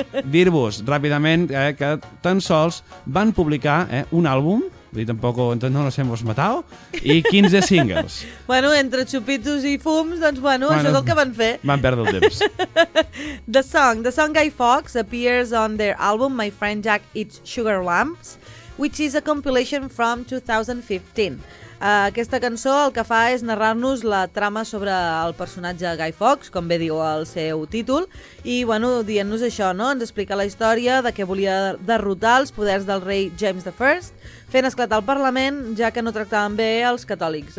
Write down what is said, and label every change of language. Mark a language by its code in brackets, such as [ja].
[ca] Dir-vos ràpidament que tan sols van publicar un àlbum Vull dir, tampoc no [es] nos hemos matado. [ca] I 15 singles. Bueno, entre xupitos i fums, doncs bueno, bueno, això és el que van fer. Van perdre el temps. [en] The song Guy Fawkes appears on their album My Friend Jack Eats Sugar Lumps, which is a compilation from 2015. [ca] Aquesta cançó el que fa és narrar-nos la trama sobre el personatge Guy Fawkes, com bé diu el seu títol, i bueno, dient-nos això, no? Ens explica la història de que volia derrotar els poders del rei James I, fent esclatar el Parlament, ja que no tractaven bé els catòlics.